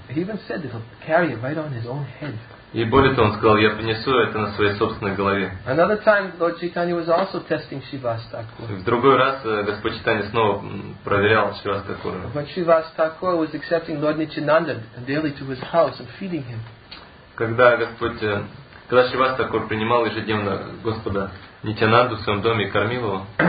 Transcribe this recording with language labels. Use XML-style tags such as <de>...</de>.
<en>He even said that he'll carry it right on his own head.</en> <ru>И более того, он сказал, я принесу это на своей собственной голове.</ru> <en>Another time, Lord Chaitanya was also testing Shivas Thakur.</en> <ru>В другой раз Господь Чайтанья снова проверял Шивас Такура.</ru> <en>But Shivas Thakur was accepting Lord Nityananda daily to his house and feeding him.</en> <ru>Когда Шивас Такур принимал ежедневно Господа Нитянанду в своем доме и кормил его.</ru>